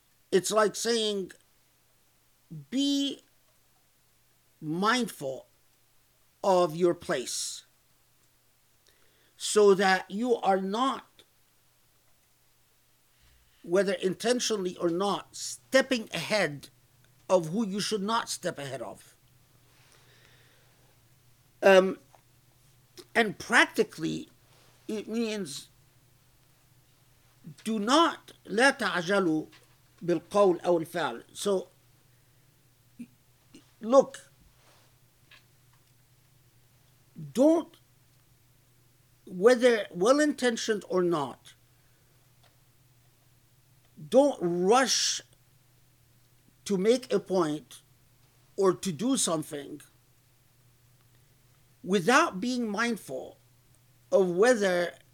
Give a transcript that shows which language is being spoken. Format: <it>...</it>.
<en>It's like saying, be mindful of your place so that you are not, whether intentionally or not, stepping ahead of who you should not step ahead of. And practically, it means, do not,</en> <ar>لا تعجلوا بالقول أو الفعل.</ar> <en>So, look, don't, whether well-intentioned or not, don't rush to make a point or to do something without being mindful of whether</en>